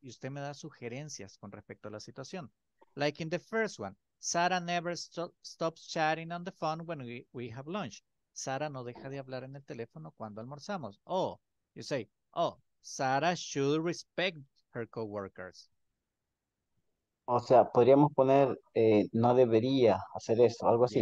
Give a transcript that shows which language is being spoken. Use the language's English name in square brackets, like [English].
[Spanish] Y usted me da sugerencias con respecto a la situación. [English] Like in the first one, Sarah never stops chatting on the phone when we have lunch. [Spanish] Sara no deja de hablar en el teléfono cuando almorzamos. [English] Oh, you say, oh, Sara should respect her coworkers. [Spanish] O sea, podríamos poner, no debería hacer eso, algo así.